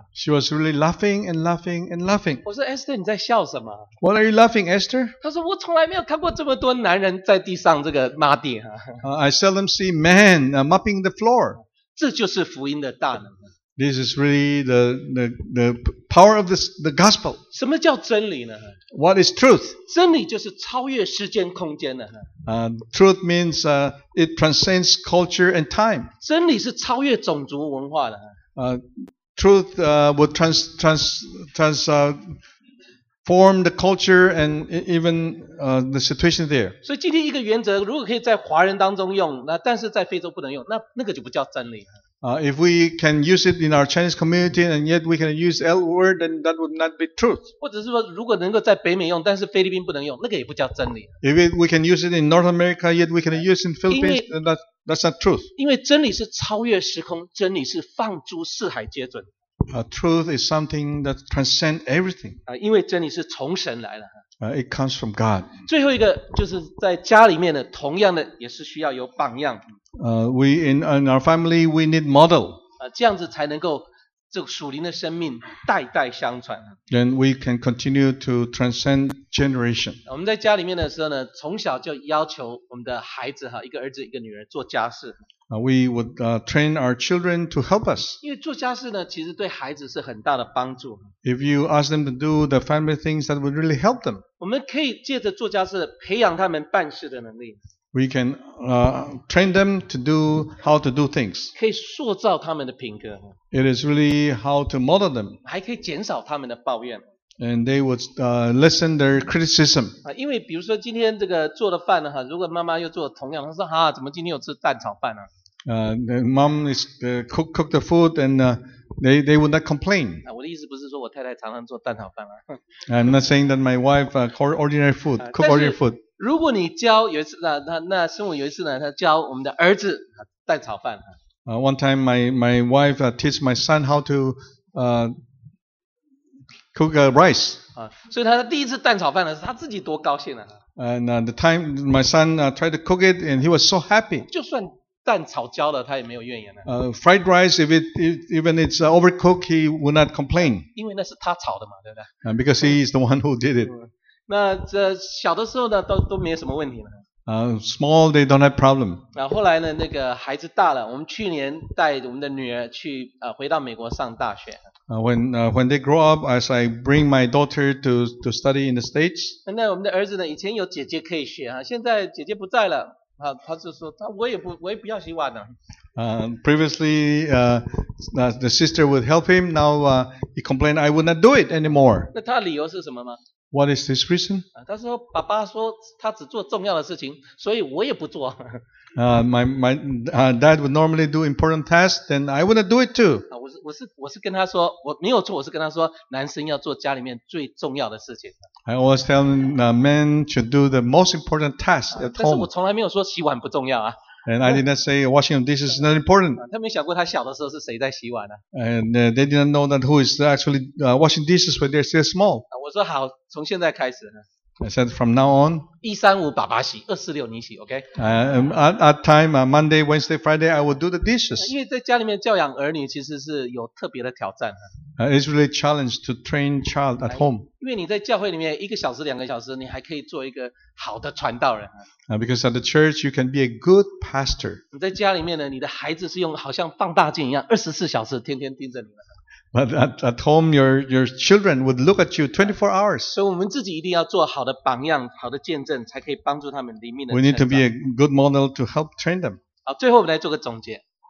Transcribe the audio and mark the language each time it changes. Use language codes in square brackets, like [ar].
[en] She was really laughing and laughing and laughing. [zh] 我说 Esther， 你在笑什么 [en] ？What are you laughing, Esther？ [zh] 她说我从来没有看过这么多男人在地上这个抹地哈。 [en] I seldom see men mopping the floor. [zh] 这就是福音的大能。 [en] This is really the power of the gospel. [zh] 什么叫真理呢 [en] ？What is truth? [zh] 真理就是超越时间空间的。 [en] Truth means it transcends culture and time. [zh] 真理是超越种族文化的。 [en] Truth would transform the culture and even the situation there. [zh] 所以今天一个原则，如果可以在华人当中用，那但是在非洲不能用，那个就不叫真理。 [en] If we can use it in our Chinese community and yet we can use L word, then that would not be truth. [zh] 或者是说，如果能够在北美用，但是菲律宾不能用，那个也不叫真理。 [en] If we can use it in North America, yet we can use it in Philippines, then that's not truth. [zh] 因为真理是超越时空，真理是放诸四海皆准。 [en] Truth is something that transcends everything. [zh] 因为真理是从神来的。 [en] It comes from God. [zh] 最后一个就是在家里面的，同样的也是需要有榜样。 [en] We in our family we need model. [zh] 这样子才能够这个属灵的生命代代相传。 [en] Then we can continue to transcend generation. [zh] 我们在家里面的时候呢，从小就要求我们的孩子一个儿子一个女儿做家事。 [en] We would train our children to help us. [zh] 因为做家事呢，其实对孩子是很大的帮助。 [en] If you ask them to do the family things, that would really help them. [zh] 我们可以借着做家事培养他们办事的能力。 [en] We can train them to do how to do things. [zh] 可以塑造他们的品格。 [en] It is really how to model them. [zh] 还可以减少他们的抱怨。 [en] And they would listen their criticism. [zh] 因为比如说今天这个做的饭呢，如果妈妈又做同样，她说啊，怎么今天又吃蛋炒饭呢？ [en] The mom is cook the food and they would not complain. [zh] 我的意思不是说我太太常常做蛋炒饭啊。 [en] I'm not saying that my wife cook ordinary food. [zh] 如果你教有一次那生母有一次呢，她教我们的儿子蛋炒饭。 [en] One time my wife teach my son how to cook rice. [zh] 所以他的第一次蛋炒饭呢，他自己多高兴啊。 [en] And the time my son tried to cook it and he was so happy. [zh] 就算蛋炒焦了他也没有怨言啊。 [en] Fried rice, even it's overcooked, he would not complain. [zh] 因为那是他炒的嘛，对不对？ [en] Because he is the one who did it. [zh] 那这小的时候呢都没有什么问题了。 [en] Small, they don't have problem. [zh] 后来呢，那个孩子大了，我们去年带我们的女儿去回到美国上大学。 [en] When they grow up, as I bring my daughter to study in the States. [zh] 那我们的儿子呢，以前有姐姐可以学啊，现在姐姐不在了，他就说他我也不要洗碗了。 [en] Previously, the sister would help him. Now, he complained I would not do it anymore. [zh] 那他理由是什么吗？ [en] What is this reason? [zh] 他说爸爸说他只做重要的事情，所以我也不做。 [en] My dad would normally do important tasks, then I wouldn't do it too. [zh] 我是跟他说，我没有错，我是跟他说，男生要做家里面最重要的事情。 [en] I always tell him men should do the most important tasks at home. [zh] 但是我从来没有说洗碗不重要啊。 [en] And I did not say washing dishes is not important. [zh] 他没想过他小的时候是谁在洗碗呢？ [en] And they didn't know that who is actually washing dishes when they're still small. [zh] 我说好，从现在开始呢。 [en] I said from now on. [zh] 135爸爸洗，246你洗 ，OK？ [en] At time Monday, Wednesday, Friday, I would do the dishes. [zh] 因为在家里面教养儿女其实是有特别的挑战的。 [en] It's really a challenge to train child at home. [zh] 因为你在教会里面一个小时、两个小时，你还可以做一个好的传道人。 [en] Because at the church you can be a good pastor. [zh] 你在家里面呢，你的孩子是用好像放大镜一样，24小时天天盯着你的。 [en] But at home, your children would look at you 24 hours. [zh] 所以我们自己一定要做好的榜样，好的见证，才可以帮助他们灵命的成长。 [en] We need to be a good model to help train them. [zh] 好，最后我们来做个总结。